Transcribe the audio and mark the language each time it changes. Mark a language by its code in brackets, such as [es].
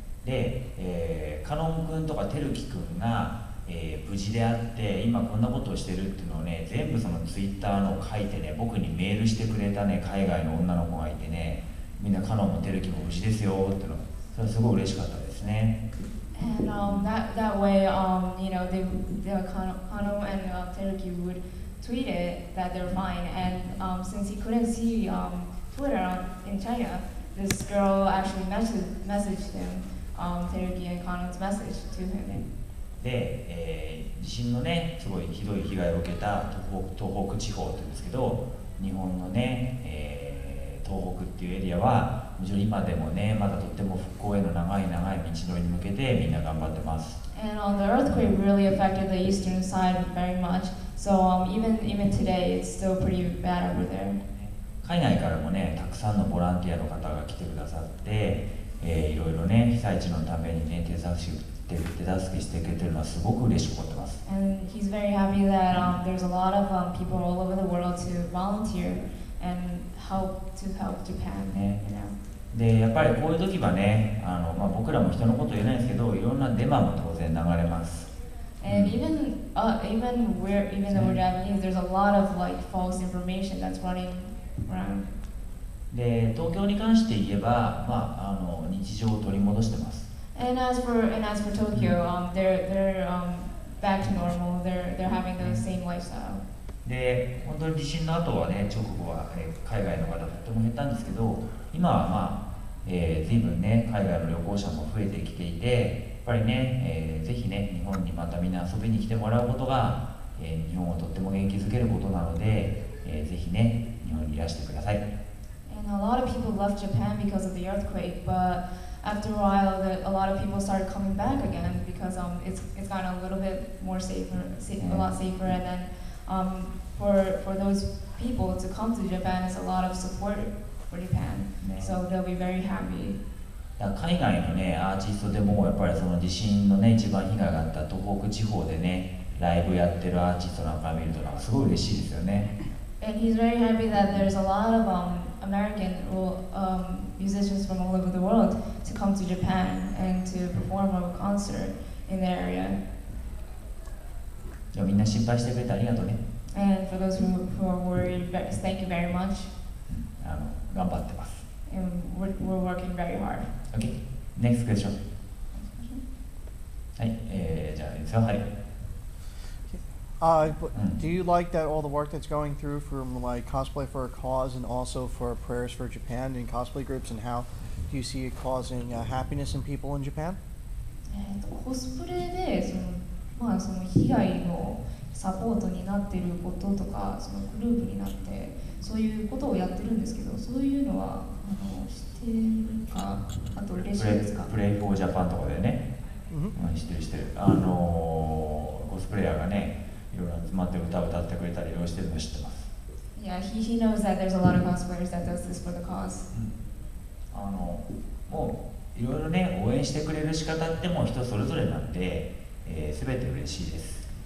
[ja] で、カノン君とかテルキ君が、無事であって今こんなことをしてるっていうのをね全部そのツイッターの書いてね僕にメールしてくれたね海外の女の子がいてねみんなカノンもテルキも無事ですよっていうのそれはすごい嬉しかったですね。 [en] And that way, you know, they Kano and Teruki would tweet it that they're fine. And since he couldn't see Twitter in China, this girl actually messaged him, Teruki and Kano's message to him. [ja] で、地震のね、すごいひどい被害を受けた東北地方って言うんですけど、日本のね、東北っていうエリアは今でもね、まだとっても復興への長い長い道のりに向けてみんな頑張ってます。 [en] And the earthquake really affected the eastern side very much. So even today, it's still pretty bad over there. [ja] 海外からもね、たくさんのボランティアの方が来てくださって、いろいろね、被災地のためにね、手助けしてくれてるのはすごく嬉しく思ってます。 [en] And he's very happy that there's a lot of people all over the world to volunteer. And help Japan, you know. [ja] でやっぱりこういう時はね、まあ、僕らも人のこと言えないですけど、いろんなデマも当然流れます。 [en] And even though we're Japanese, there's a lot of like false information that's running around. [ja] で東京に関して言えば、まあ、日常を取り戻してます。 [en] And as for Tokyo, they're back to normal. They're having the same lifestyle. [ja] で本当に地震の後はね直後は、海外の方がとても減ったんですけど今はまあ、随分ね海外の旅行者も増えてきていてやっぱりね、ぜひね日本にまたみんな遊びに来てもらうことが、日本をとっても元気づけることなので、ぜひね日本にいらしてください。 [en] And a lot of people left Japan because of the earthquake, but after a while, a lot of people started coming back again because it's gotten a little bit more safer, a lot safer, and then. For those people to come to Japan is a lot of support for Japan, so they'll be very happy. [ja] 海外のねアーティストでもやっぱりその地震のね一番被害があった東北地方でねライブやってるアーティストなんか見るとなんかすごい嬉しいですよね。 [en] And he's very happy that there's a lot of American musicians from all over the world to come to Japan and to perform a concert in the area. [ja] みんな心配してくれてありがとうね。 [en] And for those who are worried, thank you very much. [ja] 頑張ってます。 [en] And we're working very hard. Okay, next question. Okay. [ja] はい、じゃあ、さあ、はい。 [en] Do you like that all the work that's going through from like Cosplay for a Cause and also for Prayers for Japan and cosplay groups and how do you see it causing happiness in people in Japan? [ja] コスプレで、そのまあ、その被害のサポートになっていることとかそのグループになってそういうことをやってるんですけどそういうのは知ってるかあと嬉しいですかプレイフォージャパンとかでね、うん、知ってる知ってるコスプレイヤーがねいろいろ集まって歌を歌ってくれたりをしてるの知ってます [en] Yeah, he knows that there's a lot of cosplayers that does this for the cause、う [ja] ん、もういろいろね応援してくれる仕方っても人それぞれなんで全て嬉しいです。